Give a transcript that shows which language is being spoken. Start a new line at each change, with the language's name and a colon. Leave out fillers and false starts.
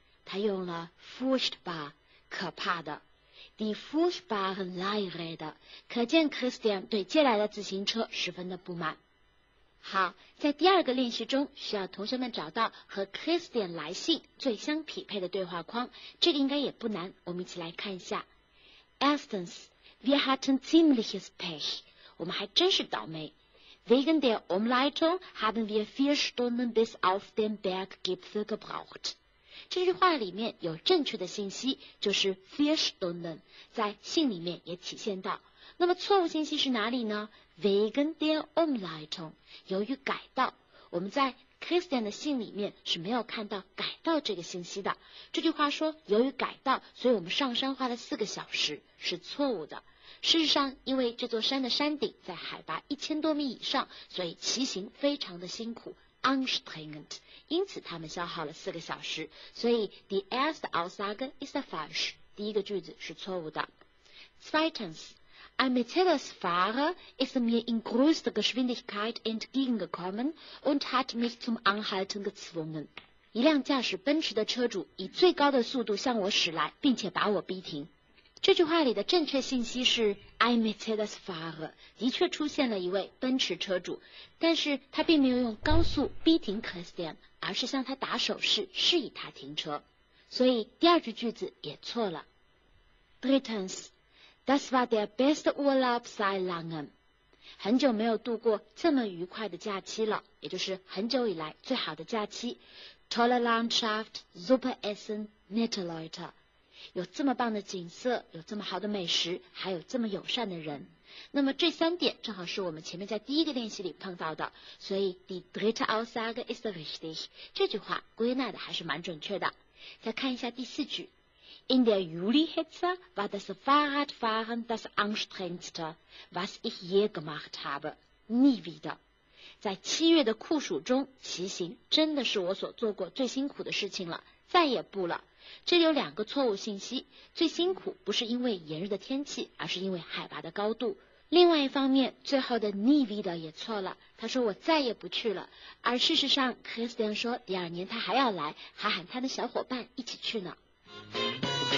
Chinese: 他用了 furchtbar， 可怕的，
German: die furchtbaren Leihräder
Chinese: 的，可见 Christian 对借来的自行车十分的不满。好，在第二个练习中需要同学们找到和 Christian 来信最相匹配的对话框，这个应该也不难，我们一起来看一下。
German: Erstens, wir hatten ziemliches Pech.
Chinese: 我们还真是倒霉。
German: Wegen der Umleitung haben wir 4 Stunden bis auf den Berggipfel gebraucht.
Chinese: 这句话里面有正确的信息，就是
German: 4 Stunden，
Chinese: 在信里面也体现到。那么错误信息是哪里呢？
German: Wegen der Umleitung，
Chinese: 由于改道。我们在 Christian 的信里面是没有看到改道这个信息的，这句话说由于改道，所以我们上山花了4个小时，是错误的。事实上因为这座山的山顶在海拔1000多米以上，所以骑行非常的辛苦 anstrengend， 因此他们消耗了4个小时，所以
German: die erste Aussage ist falsch，
Chinese: 第一个句子是错误的。
German: Zweitens, Ein Mercedes Fahrer ist mir in größter Geschwindigkeit entgegengekommen und hat mich zum Anhalten gezwungen.
Chinese: 一辆驾驶奔驰的车主以最高的速度向我驶来，并且把我逼停。这句话里的正确信息是
German: Ein Mercedes Fahrer
Chinese: 的确出现了一位奔驰车主，但是他并没有用高速逼停 Christian， 而是向他打手势示意他停车，所以第二句句子也错了。
German: Drittens,Das war der beste Urlaub seit langem.
Chinese: 很久没有度过这么愉快的假期了，也就是很久以来最好的假期。
German: Tolle Landschaft, super Essen, nette Leute.
Chinese: 有这么棒的景色，有这么好的美食，还有这么友善的人。那么这三点正好是我们前面在第一个练习里碰到的，所以
German: die dritte Aussage ist richtig.
Chinese: 这句话归纳的还是蛮准确的。再看一下第4句。
German: In der Juli-Hitze war das Fahrradfahren das anstrengendste, was ich je gemacht habe. Nie wieder.
Chinese: 在7月的酷暑中，骑行真的是我所做过最辛苦的事情了，再也不了。这有两个错误信息，最辛苦不是因为炎热的天气，而是因为海拔的高度。另外一方面，最后的
German: nie wieder
Chinese: 也错了，他说我再也不去了，而事实上 Christian 说第二年他还要来，还喊他的小伙伴一起去呢。